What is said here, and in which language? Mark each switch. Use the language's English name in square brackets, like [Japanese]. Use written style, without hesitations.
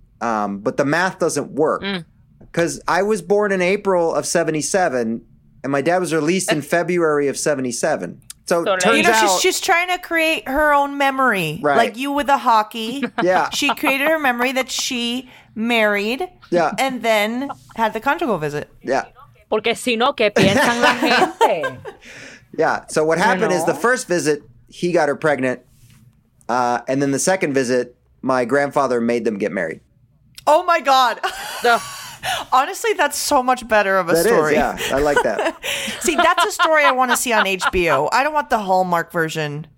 [English] But the math doesn't work because I was born in April of 77 and my dad was released in February of 77. So she's trying to create her own memory, right? Like you with a hockey. Yeah. She created her memory that she married. Yeah. And then had the conjugal visit. Yeah. [Spanish] Porque si no, ¿qué piensan la gente? [English] Yeah. So what happened is the first visit, he got her pregnant. And then the second visit, my grandfather made them get married. Oh, my God. Honestly, that's so much better of a story. Is, yeah. I like that. See, that's a story I want to see on HBO. I don't want the Hallmark version.